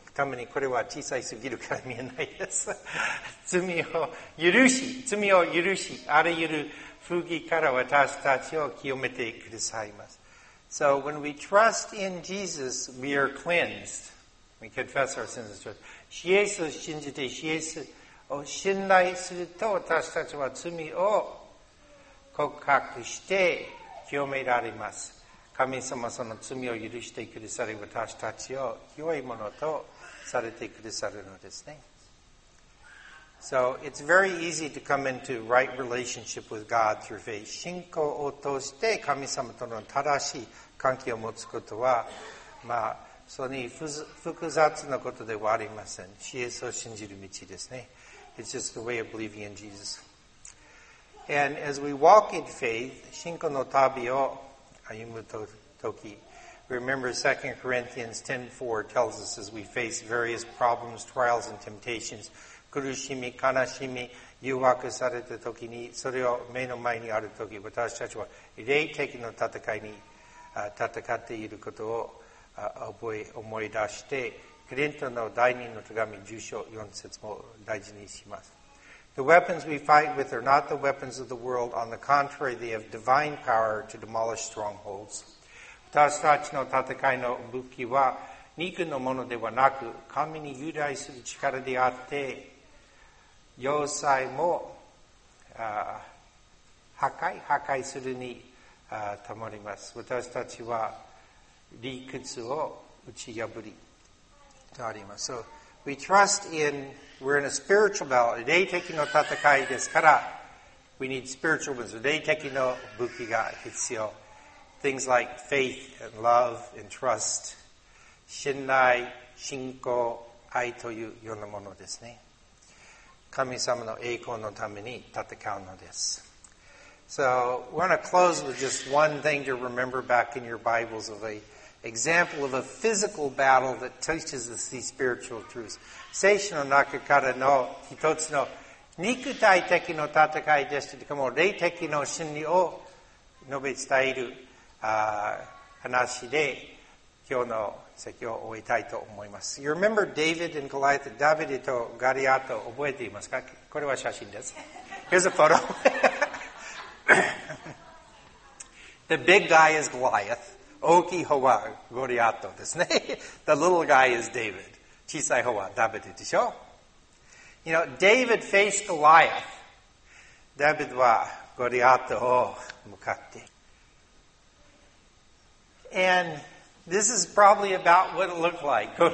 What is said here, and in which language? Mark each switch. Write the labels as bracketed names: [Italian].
[Japanese] ためにこれは小さいすぎるから見えないです。罪を許し、あらゆる不義から私たちを清めてくださいます。 [English] So when we trust in Jesus, we are cleansed. We confess our sins and trust. [Japanese] イエスを信じてイエスを信頼すると私たちは罪を告白して清められます。神様はその罪を許してくださり私たちを良いものとされてくださるのですね。 [English] So it's very easy to come into right relationship with God through faith. [Japanese] 信仰を通して神様との正しい関係を持つことは、まあ、そんなに複雑なことではありません。イエスを信じる道ですね。 [English] It's just the way of believing in Jesus. And as we walk in faith, [Japanese] 信仰の旅を歩むとき、 [English] Remember 2 Corinthians 10:4 tells us as we face various problems, trials and temptations, [Japanese] 苦しみ、悲しみ、誘惑されたときに、それを目の前にあるとき、私たちは霊的の戦いに戦っていることを思い出して、コリントの第2の手紙10章4節も大事にします。 [English] The weapons we fight with are not the weapons of the world. On the contrary, they have divine power to demolish strongholds. [Japanese] 私たちの戦いの武器は、肉のものではなく、神に由来する力であって、要塞も破壊するに保ります。私たちは理屈を打ち破りとあります。 [English] So we trust in, we're in a spiritual battle, [Japanese] 霊的の戦いですから、 [English] we need spiritual weapons, [Japanese] 霊的の武器が必要。 [English] Things like faith and love and trust, [Japanese] 信頼、信仰、愛というようなものですね。神様の栄光のために戦うのです。 [English] So, we want to close with just one thing to remember back in your Bibles of an example of a physical battle that teaches us these spiritual truths. [Japanese] 聖書の中からの一つの肉体的の戦いですけども、霊的の真理を述べ伝える話で、今日の説教を終えたいと思います。 [English] You remember David and Goliath? [Japanese] ダビデとガリアト覚えていますか？これは写真です。 [English] Here's a photo. The big guy is Goliath. [Japanese] 大きい方はゴリアトですね。 [English] The little guy is David. [Japanese] 小さい方はダビデでしょ？ [English] You know, David faced Goliath. [Japanese] ダビデはゴリアトを向かって。 [English] And... This is probably about what it looked like.